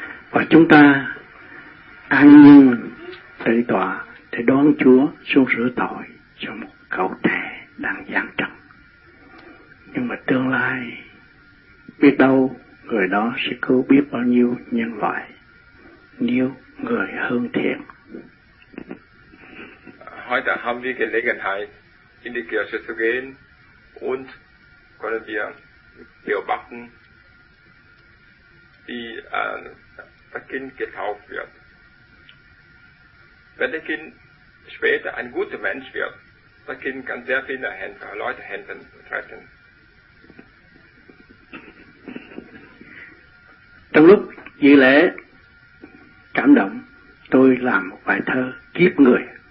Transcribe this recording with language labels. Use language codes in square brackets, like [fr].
[vi] Và chúng ta an nhiên tại tòa để đón Chúa xuống rửa tội cho một cậu trẻ đang giáng trần. Nhưng mà tương lai, biết đâu người đó sẽ cứu biết bao nhiêu nhân loại, nếu người hướng thiện. [de] Heute haben wir Gelegenheit, in die Kirche zu gehen und können wir beobachten, wie das Kind getauft wird. Wenn das Kind später ein guter Mensch wird, das Kind kann sehr viele Leute helfen, treffen. [vi] Trong lúc dự lễ cảm động, tôi làm một bài thơ kiếp người.